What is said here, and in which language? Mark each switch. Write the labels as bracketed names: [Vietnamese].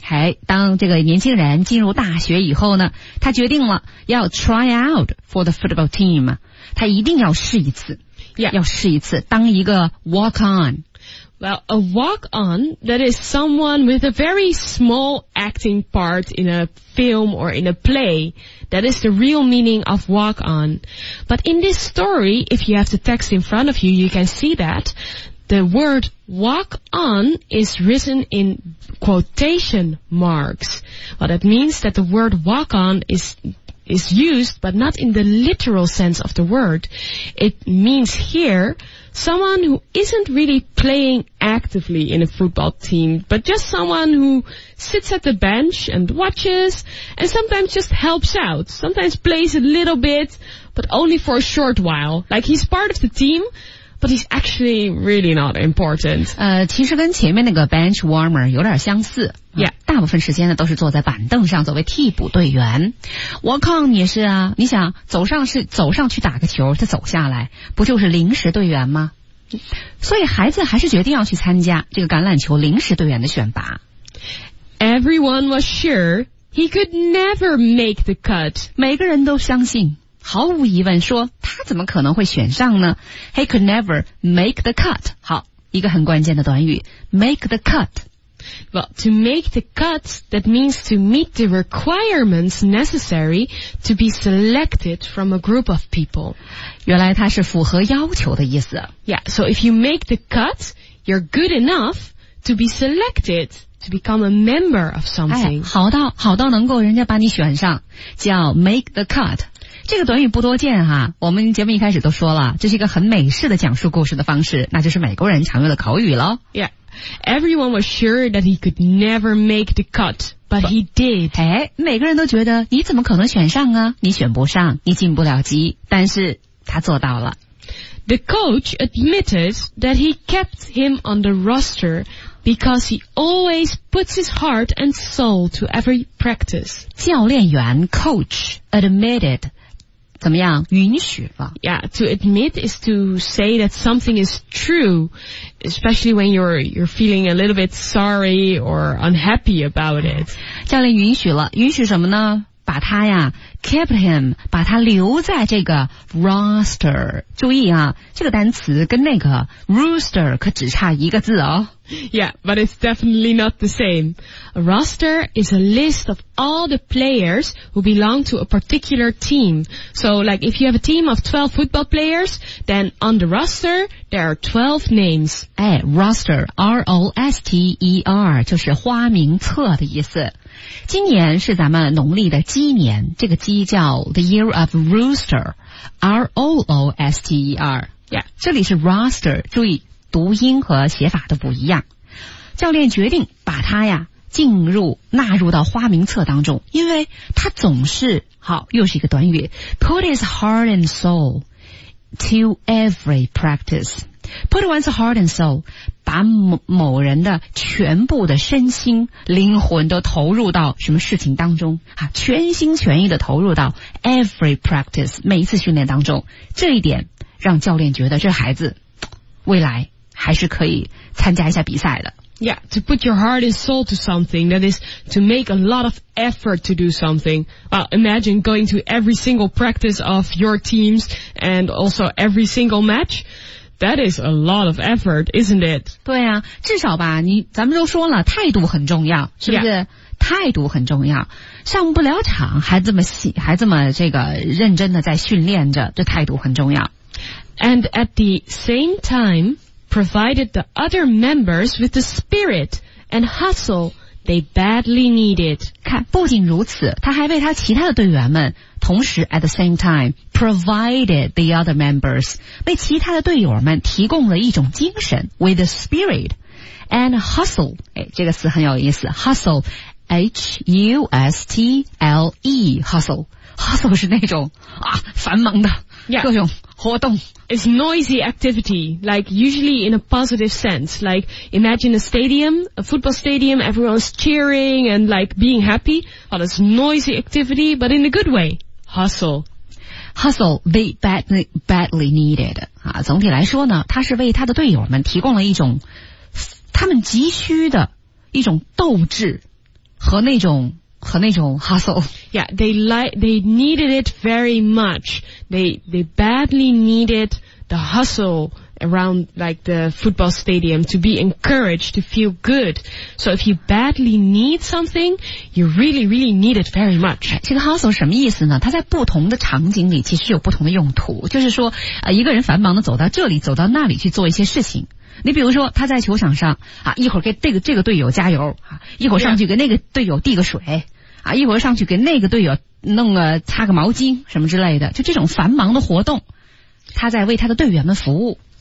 [Chinese] 嘿，当这个年轻人进入大学以后呢，他决定了要 [English] try out for the football team. [Chinese] 他一定要试一次、 [English] yeah. [Chinese] 要试一次当一个 walk on [English] Well, a walk on that is someone with a very small acting part in a film or in a play that is the real meaning of walk on But in this story if you have the text in front of you you can see that the word walk on is written in quotation marks Well, that means that the word walk on is used, but not in the literal sense of the word. It means here, someone who isn't really playing actively in a football team, but just someone who sits at the bench and watches, and sometimes just helps out, sometimes plays a little bit, but only for a short while. Like he's part of the team,But he's actually really not important. [Chinese] 其实跟前面那个 bench warmer 有点相似。 [English] Yeah. [Chinese] 大部分时间呢都是坐在板凳上作为替补队员。 Walk on 也是啊你想走上去打个球他走下来不就是临时队员吗所以孩子还是决定要去参加这个橄榄球临时队员的选拔。 [English] Everyone was sure he could never make the cut. [Chinese] 每个人都相信。毫无疑问说他怎么可能会选上呢 [English] He could never make the cut [Chinese] 好一个很关键的短语 [English] Make the cut Well to make the cut That means to meet the requirements necessary To be selected from a group of people [Chinese] 原来他是符合要求的意思 [English] Yeah so if you make the cut You're good enough to be selectedTo become a member of something、 [Chinese] 哎、好到能够人家把你选上叫 [English] make the cut [Chinese] 这个短语不多见哈我们节目一开始都说了这是一个很美式的讲述故事的方式那就是美国人常用的口语咯 [English] Yeah Everyone was sure that he could never make the cut But he did、 [Chinese] 哎、每个人都觉得你怎么可能选上啊你选不上你进不了级但是他做到了 [English] The coach admitted that he kept him on the rosterBecause he always puts his heart and soul to every practice. [Chinese] 教练员 coach, admitted, 怎么样允许了 [English] Yeah, to admit is to say that something is true, especially when you're feeling a little bit sorry or unhappy about it. [Chinese] 教练允许了允许什么呢把他呀 [English] kept him, [Chinese] 把他留在这个 roster. 注意啊这个单词跟那个 rooster 可只差一个字哦。 [English] Yeah, but it's definitely not the same. A roster is a list of all the players who belong to a particular team. So, like, if you have a team of 12 football players, then on the roster, there are 12 names. [Chinese] 哎 roster, R-O-S-T-E-R, 就是花名册的意思。今年是咱们农历的鸡年这个鸡叫 [English] The Year of Rooster, R-O-O-S-T-E-R. Yeah, [Chinese] 这里是 roster, 注意。读音和写法都不一样。教练决定把他呀进入纳入到花名册当中，因为他总是好，又是一个短语 [English] put his heart and soul to every practice， put one's heart and soul， [Chinese] 把某人的全部的身心灵魂都投入到什么事情当中啊，全心全意的投入到 [English] every practice [Chinese] 每一次训练当中，这一点让教练觉得这孩子未来还是可以参加一下比赛的。 [English] Yeah, to put your heart and soul to something, that is to make a lot of effort to do something. Imagine going to every single practice of your teams and also every single match. That is a lot of effort, isn't it? [Chinese] 对啊，至少吧，咱们都说了，态度很重要，是不是？ [English] Yeah. [Chinese] 态度很重要，上不了场还这么这个认真的在训练着，这态度很重要。 [English] And at the same time,provided the other members with the spirit and hustle they badly needed. [Chinese] 看，不仅如此，他还为他其他的队员们，同时 [English] at the same time, provided the other members, [Chinese] 为其他的队友们提供了一种精神 [English] with the spirit and hustle. [Chinese] 哎，这个词很有意思， hustle, H-U-S-T-L-E, hustle. Hustle 是那种啊，繁忙的。 [English] Yeah. [Chinese] 各种活动。 [English] It's noisy activity, like usually in a positive sense. Like imagine a stadium, a football stadium, everyone's cheering and like being happy. But it's noisy activity, but in a good way. Hustle. Hustle, they badly needed.、 [Chinese] 啊、总体来说呢，他是为他的队友们提供了一种他们急需的一种斗志和那种 hustle. [English] Yeah, they needed it very much. They badly needed the hustle around like the football stadium to be encouraged to feel good. So if you badly need something, you really, really need it very much. [Chinese] 这个 hustle 什么意思呢？它在不同的场景里其实有不同的用途。就是说，一个人繁忙的走到这里，走到那里去做一些事情。你比如说他在球场上啊，一会儿给这个队友加油啊，一会儿上去给那个队友递个水啊，一会儿上去给那个队友弄个擦个毛巾什么之类的，就这种繁忙的活动他在为他的队员们服务。